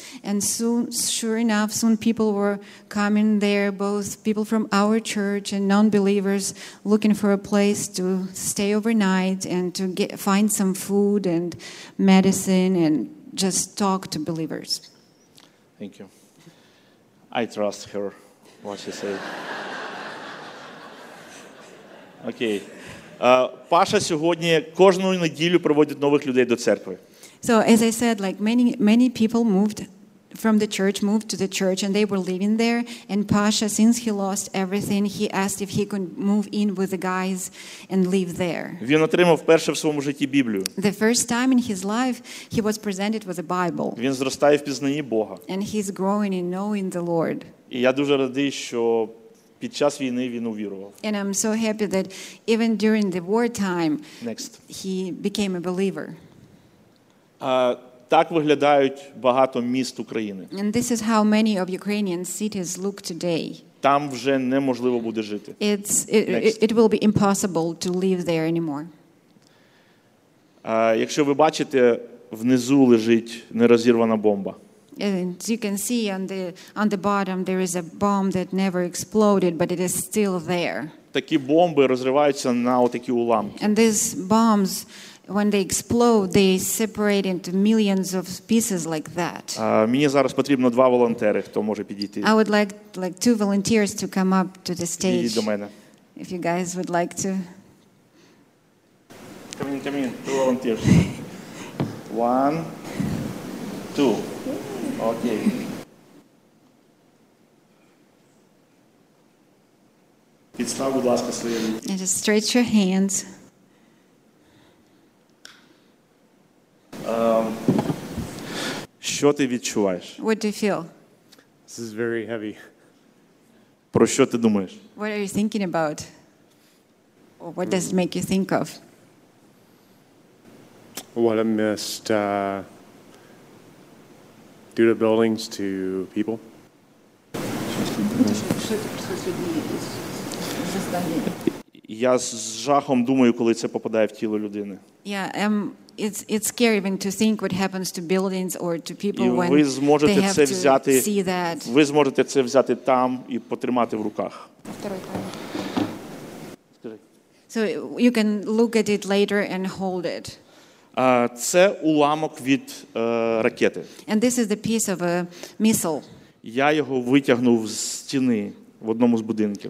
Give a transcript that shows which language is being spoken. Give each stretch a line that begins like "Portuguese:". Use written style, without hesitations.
English: And soon people were coming there, both people from our church and non-believers looking for a place to stay overnight and to find some food and medicine and just talk to believers. Thank you. I trust her, what she said. Okay.
Ukrainian: Паша сьогодні кожну неділю проводить нових людей до церкви.
English: So as I said, like many people moved from the church, moved to the church, and they were living there. And Паша, since he lost everything, he asked if he could move in with the guys and live there.
Ukrainian: Він отримав вперше в своєму житті Біблію.
English: The first time in his life, he was presented with a Bible.
Ukrainian: Він зростає в пізнанні Бога.
English: And he's growing in knowing the Lord.
Ukrainian: І я дуже радий, що під час війни він увірував.
English: And I'm so happy that even during the wartime, next, he became a believer.
Ukrainian: Так виглядають багато міст України.
English: And this is how many of Ukrainian cities look today.
Ukrainian: Там вже неможливо буде жити.
English: It will be impossible to live there anymore.
Ukrainian: Якщо ви бачите, внизу лежить нерозірвана бомба.
English: And you can see on the bottom there is a bomb that never exploded, but it is still there.
Ukrainian: Такі бомби розриваються на отакі уламки.
English: And these bombs, when they explode, they separate into millions of pieces like that.
Ukrainian: Мені зараз потрібно два волонтери, хто може підійти.
English: I would like two volunteers to come up to the stage.
Ukrainian: Підійдіть до мене.
English: If you guys would like to. Come in, two volunteers. One, two.
Ukrainian: Окей. Підстав, будь ласка, своє руки.
English: Just stretch your hands.
Ukrainian: Що ти відчуваєш?
English: What do you feel? This is very heavy.
Ukrainian: Про що ти думаєш?
English: What are you thinking about? Or what does it make you think of? What I missed due to buildings, to people.
Ukrainian: Я з жахом думаю, коли це попадає в тіло людини.
English: Yeah, it's scary even to think what happens to buildings or to people when
Ukrainian: ви зможете це взяти,
English: see that.
Ukrainian: Ви зможете це взяти там і потримати в руках.
English: So you can look at it later and hold it.
Ukrainian: Це уламок від ракети.
English: And this is the piece of a missile.
Ukrainian: Я його витягнув з стіни в одному з будинків.